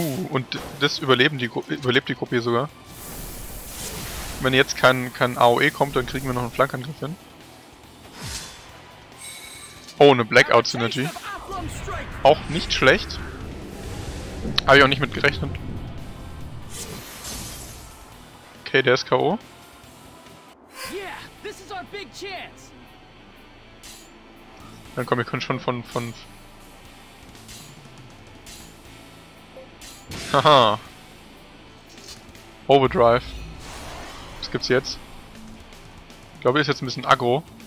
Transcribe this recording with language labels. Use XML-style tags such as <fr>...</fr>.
<de>Und das überleben die überlebt die Gruppe sogar. Wenn jetzt kein AOE kommt, dann kriegen wir noch einen Flankangriff hin. Oh, eine Blackout Synergy. Auch nicht schlecht. Habe ich auch nicht mit gerechnet. Okay, der ist K.O.</de> <en>Yeah, this is our big chance.</en> <de>Dann komm, wir können schon von. Haha. Overdrive. Was gibt's jetzt? Ich glaube, er ist jetzt ein bisschen aggro.</de>